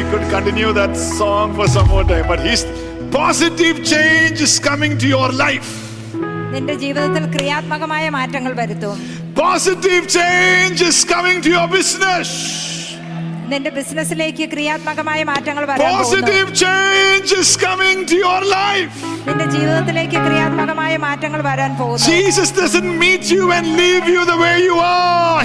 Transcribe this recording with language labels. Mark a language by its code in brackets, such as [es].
[en] Continue that song for some more time, but his positive change is coming to your life. [ml] നിന്റെ ജീവിതത്തിൽ ക്രിയാത്മകമായ മാറ്റങ്ങൾ വരുത്തും. [en] Positive change is coming to your business. [ml] നിന്റെ ബിസിനസ്സിലേക്ക് ക്രിയാത്മകമായ മാറ്റങ്ങൾ വരാൻ പോകുന്നു. [en] Positive change is coming to your life. [ml] നിന്റെ ജീവിതത്തിലേക്ക് ക്രിയാത്മകമായ മാറ്റങ്ങൾ വരാൻ പോകുന്നു. [en] Jesus doesn't meet you and leave you the way you are.